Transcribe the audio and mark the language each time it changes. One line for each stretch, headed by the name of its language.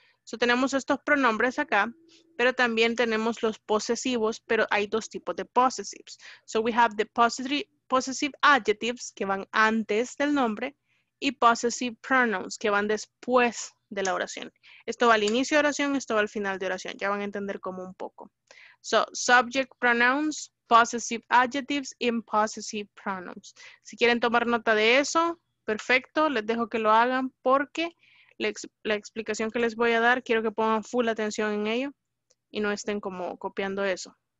Spanish: So tenemos estos pronombres acá, pero también tenemos los posesivos, pero hay dos tipos de possessives.
English: So we have the possessive adjectives,
Spanish: que van antes del nombre, y
English: possessive pronouns,
Spanish: que van después de la oración. Esto va al inicio de oración, esto va al final de oración. Ya van a entender cómo un poco.
English: So, subject pronouns, possessive adjectives, and possessive pronouns.
Spanish: Si quieren tomar nota de eso, perfecto, les dejo que lo hagan porque la explicación que les voy a dar, quiero que pongan full atención en ello y no estén como copiando eso.